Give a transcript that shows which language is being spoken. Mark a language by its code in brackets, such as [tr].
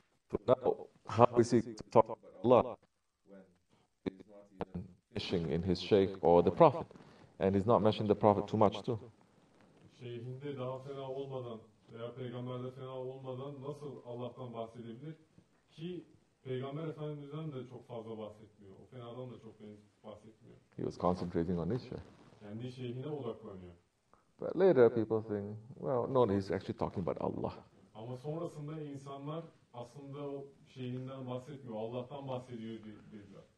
[en] So now, how is he talking about Allah when he's not even mentioning in his Shaykh or the Prophet? And he's not mentioning the Prophet too much too. [tr] Şeyhinde daha fena olmadan veya peygamberde fena olmadan nasıl Allah'tan bahsedebilir ki peygamber efendimizden de çok fazla bahsetmiyor. O fenadan da çok bahsetmiyor. [en] He was concentrating on his Shaykh. [tr] Kendi şeyhine odaklanıyor. [en] But later people think, well, no, he's actually talking about Allah. [tr] Ama sonrasında insanlar aslında o şeyinden bahsetmiyor, Allah'tan bahsediyor dediler.